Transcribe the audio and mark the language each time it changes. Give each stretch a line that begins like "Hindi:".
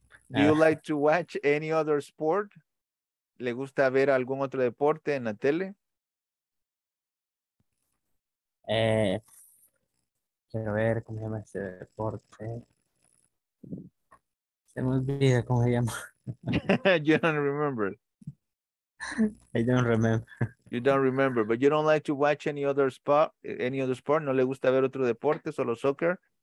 English: Do you like to watch any other sport?
Spanish: ¿Le gusta ver algún otro deporte en la tele? Quiero ver cómo se llama ese deporte. Se me olvida cómo se llama.
English: You don't remember. I don't remember. You don't remember, but you don't like to watch any other sport?
Spanish: ¿No le gusta ver otro deporte, solo soccer?